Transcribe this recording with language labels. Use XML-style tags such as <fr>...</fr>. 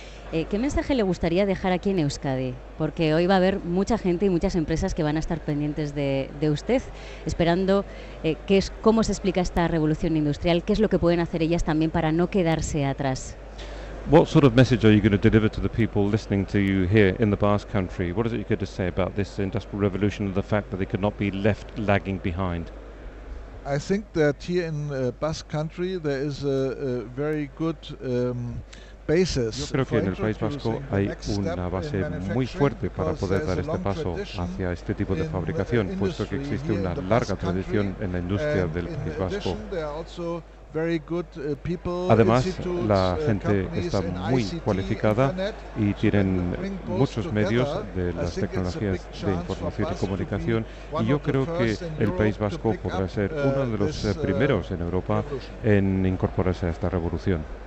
<es>¿Qué mensaje le gustaría dejar aquí en Euskadi? Porque hoy va a haber mucha gente y muchas empresas que van a estar pendientes de usted, esperando qué es, cómo se explica esta revolución industrial, qué es lo que pueden hacer ellas también para no quedarse atrás.</es> <en>What sort of message are you going to deliver to the people listening to you here in the Basque Country? What is it you're going to say about this industrial revolution and the fact that they could not be left lagging behind? I think that here in Basque Country there is a very good</en> <es>yo creo que en el País Vasco hay una base muy fuerte para poder dar este paso hacia este tipo de fabricación, puesto que existe una larga tradición en la industria del País Vasco.</es> <en>very good people.</en> <es>Además, la gente está muy cualificada y tienen muchos medios de las tecnologías de información y comunicación, y yo creo que el País Vasco podrá ser uno de los primeros en Europa en incorporarse a esta revolución.</es>